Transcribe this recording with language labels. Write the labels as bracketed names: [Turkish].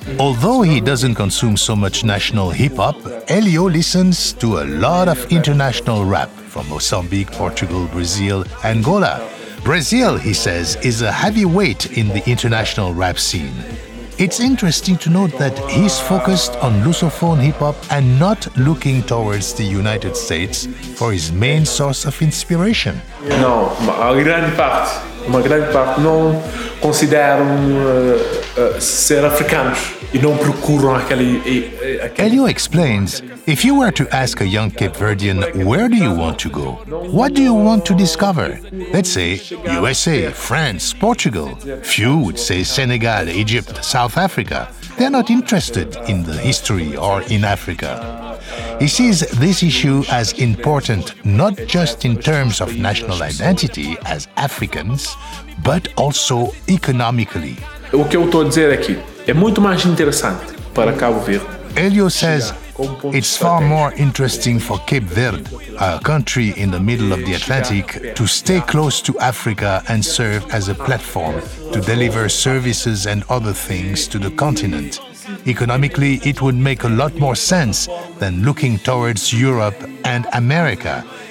[English] Although he doesn't consume so much national hip-hop, Elio listens to a lot of international rap from Mozambique, Portugal, Brazil, Angola. Brazil, he says, is a heavyweight in the international rap scene. It's interesting to note that he's focused on Lusophone hip-hop and not looking towards the United States for his main source of inspiration. [Portuguese] No, a grande parte não consideram ser africanos e não procuram aquele... [English] Elio explains, if you were to ask a young Cape Verdean, where do you want to go? What do you want to discover? Let's say USA, France, Portugal. Few would say Senegal, Egypt, South Africa. They're not interested in the history or in Africa. He sees this issue as important, not just in terms of national identity as Africans, but also economically. [Portuguese] O que eu estou a dizer aqui é muito mais interessante para Cabo Verde. [English] Elio says it's far more interesting for Cape Verde, a country in the middle of the Atlantic, to stay close to Africa and serve as a platform to deliver services and other things to the continent. Economically, it would make a lot more sense than looking towards Europe and America.